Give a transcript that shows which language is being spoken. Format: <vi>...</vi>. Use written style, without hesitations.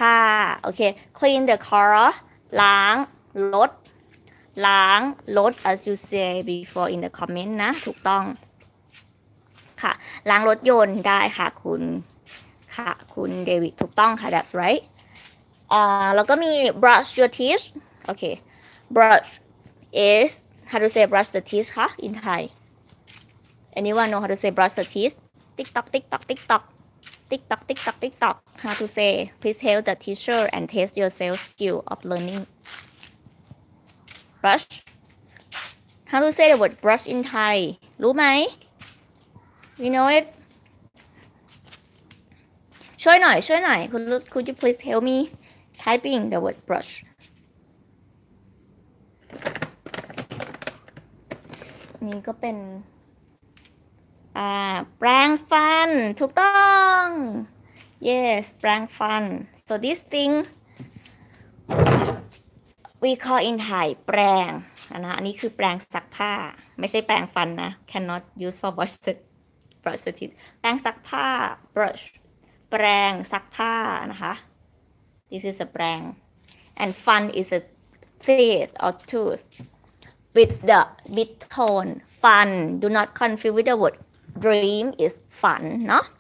<en>ค่ะโอเค clean the car ล้างรถล้างรถ as you say before in the comment</en> <th>นะถูกต้องค่ะล้างรถยนต์ได้ค่ะคุณค่ะคุณเดวิดถูกต้องค่ะ</th> <en>that's right แล้วก็มี brush your teeth โอเค brush is how to say brush the teeth ค่ะ in Thai anyone know how to say brush the teeth tiktok tiktok tiktokTikTok, TikTok, TikTok. How to say? Please tell the teacher and test yourself skill of learning. Brush. How to say the word brush in Thai?</en> <th>รู้ไหม?</th> <en>You know it?</en> <th>ช่วยหน่อย, ช่วยหน่อย.</th> <en>Could you please help me typing the word brush?</en> <th>นี่ก็เป็นแปรงฟันถูกต้อง yes แปรงฟัน</th> <en>so this thing we call in Thai แปรงนะ</en> <th>อันนี้คือแปรงซักผ้าไม่ใช่แปรงฟันนะ</th> <en>cannot use for brush the teeth แปรงซักผ้า brush แปรงซักผ้านะคะ this is a แปรง and fun is a teeth or tooth with the mid tone fun do not confuse with the wordDream is fun, no?</en>